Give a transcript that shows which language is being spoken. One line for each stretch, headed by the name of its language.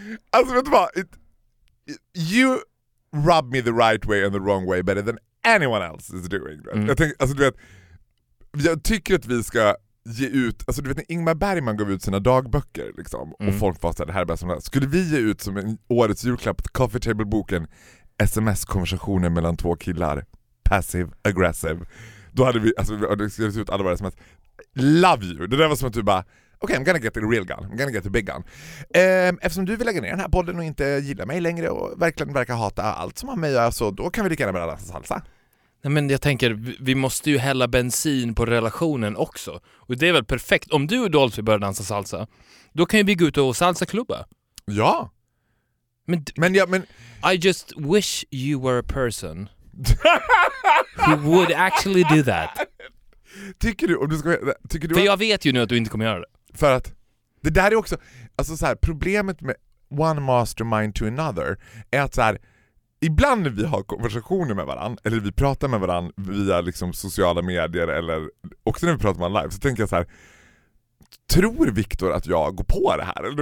Swedish: Alltså vet du vad,
English: you rub me the right way and the wrong way better than anyone else is doing. Mm.
Swedish: Jag tänker, alltså du vet, jag tycker att vi ska ge ut, alltså du vet när Ingmar Bergman gav ut sina dagböcker liksom, mm, och folk fastade det här bäst som det här. Skulle vi ge ut som en årets julklapp till Coffee Table-boken SMS-konversationer mellan två killar,
English: passive aggressive,
Swedish: då hade vi, alltså det skulle se ut alla våra sms,
English: love you.
Swedish: Det där var som att du bara,
English: okay, I'm gonna get the real gun, I'm gonna get the big gun.
Swedish: Eftersom du vill lägga ner den här podden och inte gillar mig längre och verkligen verkar hata allt som har med att göra, så då kan vi lika gärna börja dansa salsa. Nej, men jag tänker, vi måste ju hälla bensin på relationen också. Och det är väl perfekt. Om du och Dolph börjar dansa salsa, då kan ju vi gå ut och salsa klubba. Ja.
English: Men I just wish you were a person who would actually do that.
Swedish: Tycker du, om du ska, tycker du för att, jag vet ju nu att du inte kommer göra det. För att det där är också, alltså så här, problemet med
English: one mastermind to another
Swedish: är att så här, ibland när vi har konversationer med varann, eller vi pratar med varann via liksom sociala medier, eller också när vi pratar med en live, så tänker jag så här, tror Viktor att jag går på det här?